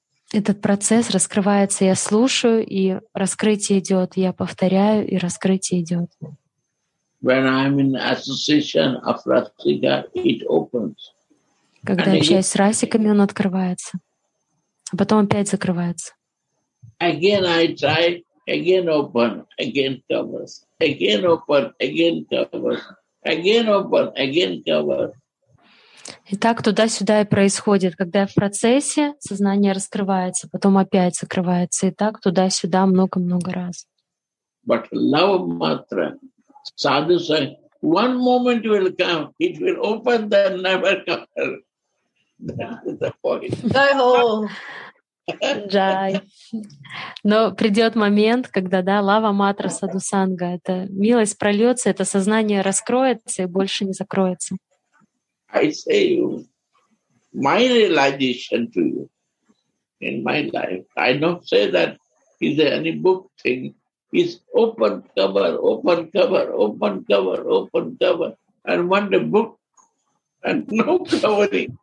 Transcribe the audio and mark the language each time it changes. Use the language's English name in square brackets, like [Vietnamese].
[Russian] Этот процесс раскрывается, я слушаю, и раскрытие идет, я повторяю, и раскрытие идет. [English] When I'm in association of Rasika, it opens. [Russian] Когда общаюсь с расиками, он открывается, а потом опять закрывается. [English] Again I try, again open, again covers, again open, again covers, again open, again covers. [Russian] И так туда-сюда и происходит, когда в процессе сознание раскрывается, потом опять закрывается, и так туда-сюда много-много раз. [English] But love mantra, sadhu say, one moment will come, it will open, then never come. That is the point. [Hindi] Jai ho! Jai. [Russian] Но придет момент, когда, да, лава матра саду санга, это милость прольется, это сознание раскроется и больше не закроется. [English] I say you, my realization to you in my life. I don't say that is there any book thing. It's open cover, open cover, open cover, open cover, and one day book and no covering.